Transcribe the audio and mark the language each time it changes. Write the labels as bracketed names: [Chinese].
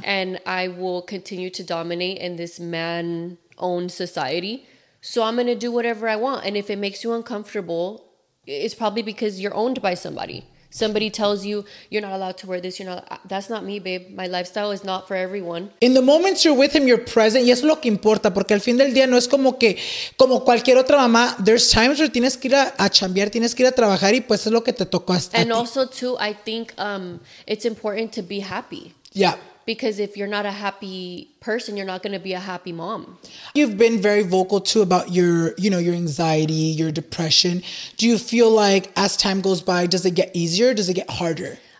[English] And I will continue to dominate in this man-owned society. So I'm going to do whatever I want. And if it makes you uncomfortable, it's probably because you're owned by somebody. Somebody tells you, you're not allowed to wear this. You're not. That's not me, babe. My lifestyle is not for everyone. In the moments you're with him, you're present. [Spanish] Y eso es lo que importa. Porque al fin del día no es como que, como cualquier otra mamá. [English] There's times where [Spanish] tienes que ir a chambear, tienes que ir a trabajar. Y pues es lo que te tocó hasta [English] And also too, I think it's important to be happy. Yeah. Because if you're not a happy person, you're not going to be a happy mom. You've been very vocal too about your, you know, your anxiety, your depression. Do you feel like as time goes by, does it get easier? Or does it get harder?